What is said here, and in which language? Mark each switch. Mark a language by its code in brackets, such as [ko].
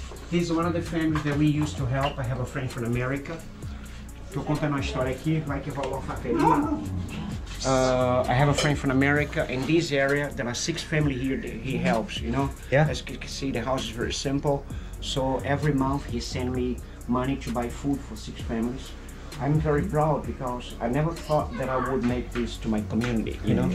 [en] He's one of the families that we used to help. I have a friend from America. [pt] Tô contando uma história aqui, vai que rolou a fatelinha. [en] I have a friend from America in this area. There are 6 families here that he helps, you know? Yeah. As you can see, the house is very simple. So every month he sends me money to buy food for 6 families. I'm very proud because I never thought that I would make this to my community, you know?